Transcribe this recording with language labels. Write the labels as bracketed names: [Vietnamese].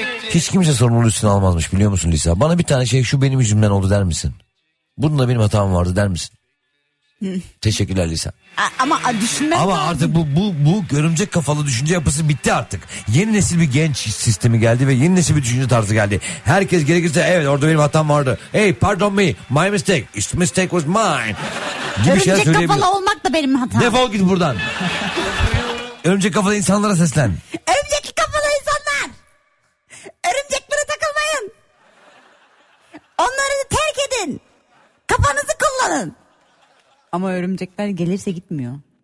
[Turkish] Hiç kimse sorumluluğu üstüne almazmış biliyor musun Lisa? Bana bir tane şey, şu benim yüzümden oldu der misin? Bununla benim hatam vardı der misin? Teşekkürler Lisa. Ama düşünmek ama lazım. Artık bu görümcek kafalı düşünce yapısı bitti artık. Yeni nesil bir genç sistemi geldi ve yeni nesil bir düşünce tarzı geldi. Herkes gerekirse evet orada benim hatam vardı. [English] Hey pardon me, my mistake, its mistake was mine. [Turkish] Gibi görümcek kafalı olmak da benim hatam. Defol git buradan. Örümcek kafalı insanlara seslen. Örümcek kafalı insanlar. Örümceklere takılmayın. Onları terk edin. Kafanızı kullanın. Ama örümcekler gelirse gitmiyor.